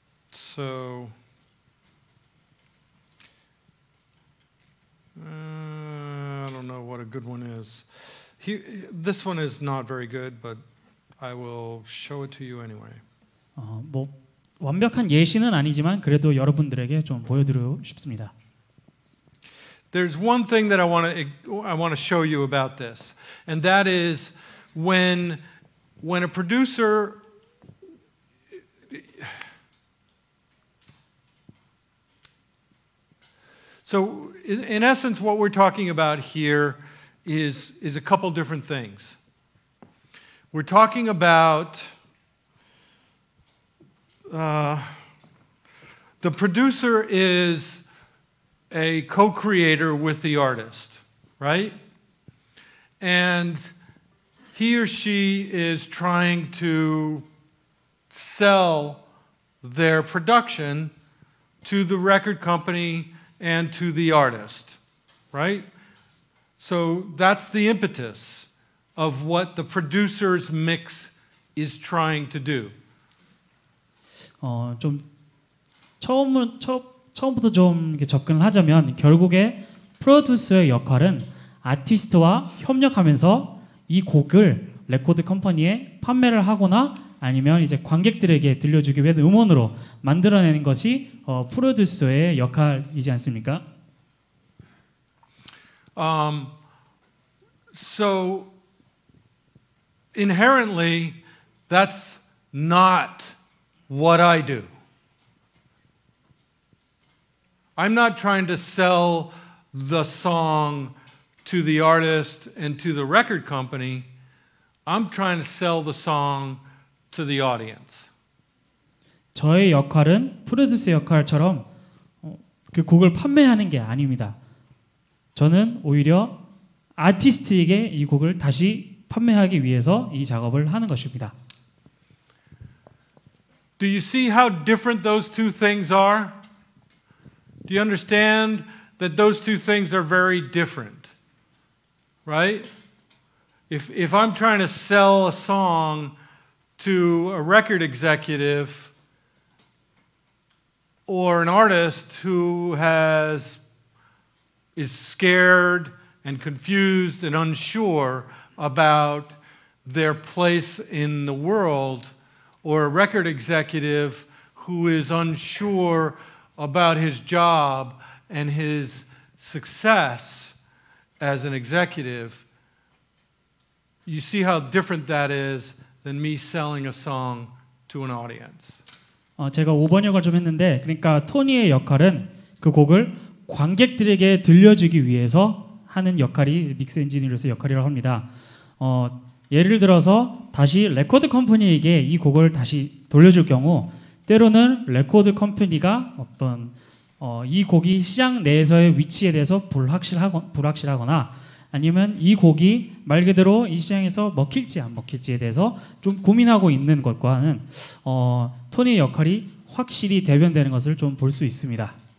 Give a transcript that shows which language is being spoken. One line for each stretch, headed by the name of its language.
English: So I don't know what a good one is. This one is not very good, but I will show it to you anyway.
Korean: 뭐 완벽한 예시는 아니지만 그래도 여러분들에게 좀 보여드리고 싶습니다.
English: There's one thing that I want to show you about this, and that is when a producer. So, in essence, what we're talking about here is a couple different things. We're talking about the producer is a co-creator with the artist, right? And he or she is trying to sell their production to the record company and to the artist, right? So that's the impetus of what the producer's mix is trying to do.
Korean: 좀 처음부터 좀 이렇게 접근을 하자면 결국에 프로듀서의 역할은 아티스트와 협력하면서 이 곡을 레코드 컴퍼니에 판매를 하거나 아니면 이제 관객들에게 들려주기 위한 음원으로 만들어내는 것이 프로듀서의 역할이지 않습니까?
English: So inherently, that's not what I do. I'm not trying to sell the song to the artist and to the record company. I'm trying to sell the song to the audience.
Korean: 저의 역할은 프로듀서 역할처럼 그 곡을 판매하는 게 아닙니다. 저는 오히려 아티스트에게 이 곡을 다시 판매하기 위해서 이 작업을 하는 것입니다.
English: Do you see how different those two things are? Do you understand that those two things are very different? Right? If I'm trying to sell a song to a record executive or an artist who is scared and confused and unsure about their place in the world, or a record executive who is unsure about his job and his success as an executive, you see how different that is than me selling a song to an audience.
Korean: 제가 5번 역할 좀 했는데, 그러니까 토니의 역할은 그 곡을 관객들에게 들려주기 위해서 하는 역할이 믹스 엔지니어로서 역할이라고 합니다. 예를 들어서 다시 레코드 컴퍼니에게 이 곡을 다시 돌려줄 경우 때로는 레코드 컴퍼니가 어떤 이 곡이 시장 내에서의 위치에 대해서 불확실하거나 아니면 이 곡이 말 그대로 이 시장에서 먹힐지 안 먹힐지에 대해서 좀 고민하고 있는 것과는 토니의 역할이 확실히 대변되는 것을 좀 볼 수 있습니다.